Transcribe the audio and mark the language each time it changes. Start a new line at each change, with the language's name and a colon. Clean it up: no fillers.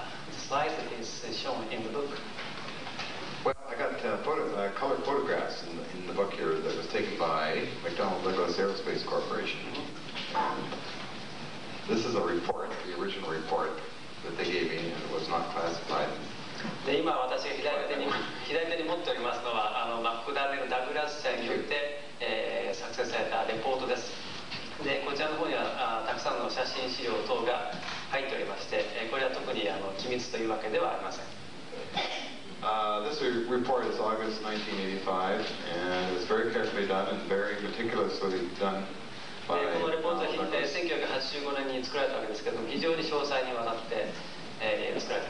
English: The slide is shown in the book. Well, I got colored photographs in the book here that was taken by McDonnell Douglas Aerospace Corporation. This is a report, the original report that they gave me, and it was not classified.
Japanese: で今私が左手に持っておりますのはマクダネル・ダグラス社によって、作成されたレポートです。でこちらの方にはたくさんの写真資料等が入っておりまして、これは特に機密というわけではありません。
English: This report is August 1985 and it's very carefully done and very meticulously done.
Japanese: このレポートは1985年に作られたわけですけども非常に詳細にわたって、作られています。